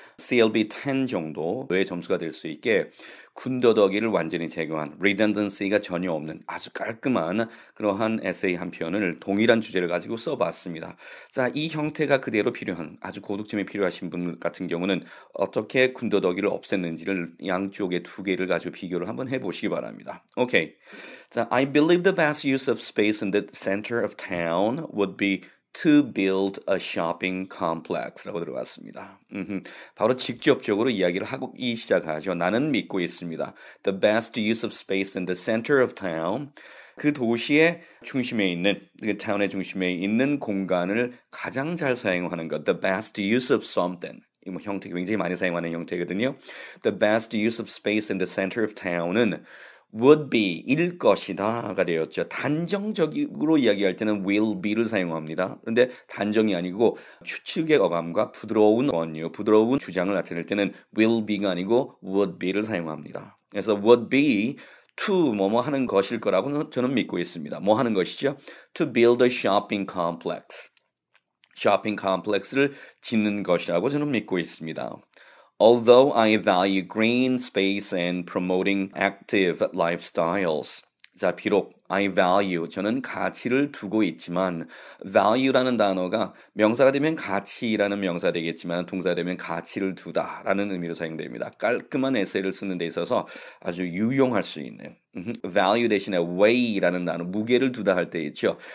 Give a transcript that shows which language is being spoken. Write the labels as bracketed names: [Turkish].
[Korean] CLB 10 정도의 점수가 될수 있게 군더더기를 완전히 제거한 redundancy가 전혀 없는 아주 깔끔한 그러한 에세이 한 편을 동일한 주제를 가지고 써봤습니다. 자, 이 형태가 그대로 필요한 아주 고득점이 필요하신 분 같은 경우는 어떻게 군더더기를 없앴는지를 양쪽에 두 개를 가지고 비교를 한번 해보시기 바랍니다. 오케이. [English] 자, I believe the best use of space in the center of town would be to build a shopping complex라고 [Korean] 들어왔습니다. 바로 직접적으로 이야기를 하고 시작하죠. 나는 믿고 있습니다. [English] The best use of space in the center of town. [Korean] 그 도시의 중심에 있는, 그 타운의 중심에 있는 공간을 가장 잘 사용하는 것. [English] The best use of something. [Korean] 이 형태 굉장히 많이 사용하는 형태거든요. [English] The best use of space in the center of town은 would be, [Korean] 일 것이다가 되었죠. 단정적으로 이야기할 때는 will be를 사용합니다. 그런데 단정이 아니고 추측의 어감과 부드러운 원유, 부드러운 주장을 나타낼 때는 will be가 아니고 would be를 사용합니다. 그래서 [English] would be to [Korean] 뭐뭐 하는 것일 거라고 저는 믿고 있습니다. 뭐 하는 것이죠? [English] To build a shopping complex. [Korean] 쇼핑 컴플렉스를 짓는 것이라고 저는 믿고 있습니다. [English] Although I value green space and promoting active lifestyles. [Korean] 자, 비록 [English] I value, [Korean] 저는 가치를 두고 있지만, value라는 단어가 명사가 되면 가치라는 명사 되겠지만, 동사가 되면 가치를 두다라는 의미로 사용됩니다. 깔끔한 에세이를 쓰는 데 있어서 아주 유용할 수 있는. value 대신에 way라는 단어, 무게를 두다 할때 있죠.